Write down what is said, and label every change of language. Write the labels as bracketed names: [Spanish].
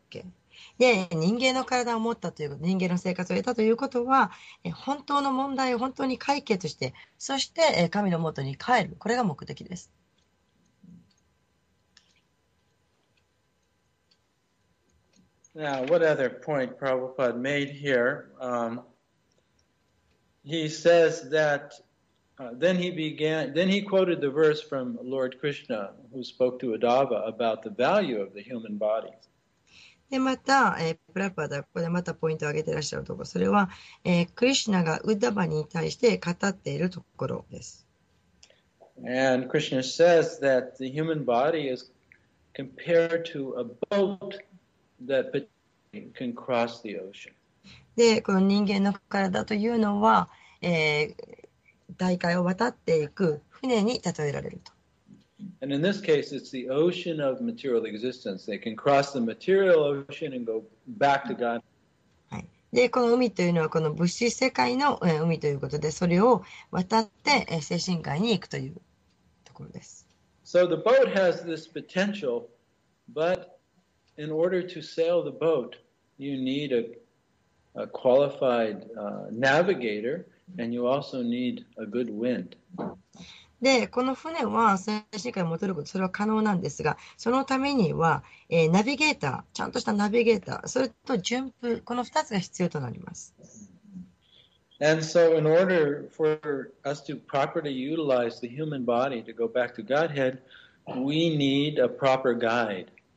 [English] Okay. [Japanese] で、人間の体を持ったという、人間の生活を得たということは、本当の問題を本当に解決して、そして神のもとに帰る、これが目的です。 [English] Now, what other point Prabhupada made here? He says that, then he quoted the verse from Lord Krishna, who spoke to Uddhava about the value of the human body. [Japanese] でまた、プラパダここでまたポイントを挙げていらっしゃるところ、それは、クリシナがウッダバに対して語っているところです。 [English] And Krishna says that the human body is compared to a boat that can cross the ocean. [Japanese] で、この人間の体というのは、大海を渡っていく船に例えられると。 [English] And in this case, it's the ocean of material existence. They can cross the material ocean and go back to God. [Japanese] はい。で、この海というのはこの物質世界の海ということで、それを渡って精神界に行くというところです。 [English] So the boat has this potential, but in order to sail the boat, you need a qualified navigator, and you also need a good wind. [Japanese] でこの船は精神界に戻ること、それは可能なんですが、そのためには、ナビゲーター、ちゃんとしたナビゲーター、それと順風、この2つが必要となります。 [English] And so in order for us to properly utilize the human body to go back to Godhead, we need a proper guide.